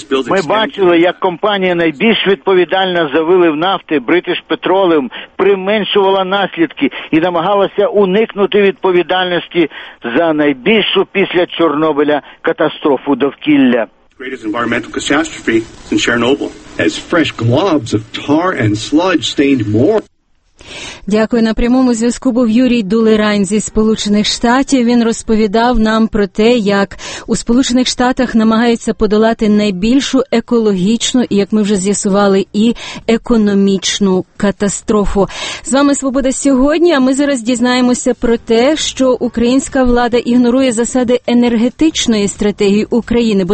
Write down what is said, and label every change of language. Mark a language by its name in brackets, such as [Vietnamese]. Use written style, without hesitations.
[Ukrainian] Ми бачили, як компанія найбільш відповідальна за вилив нафти, British Petroleum, применшувала наслідки і намагалася уникнути відповідальності за найбільшу після Чорнобиля катастрофу довкілля. [English] Greatest environmental catastrophe since Chernobyl. As fresh globs of tar and sludge stained more. [Ukrainian] Дякую. На прямому зв'язку був Юрій Дулерайн зі Сполучених Штатів. Він розповідав нам про те, як у Сполучених Штатах намагаються подолати найбільшу екологічну і, як ми вже з'ясували, і економічну катастрофу. З вами «Свобода сьогодні», а ми зараз дізнаємося про те, що українська влада ігнорує засади енергетичної стратегії України.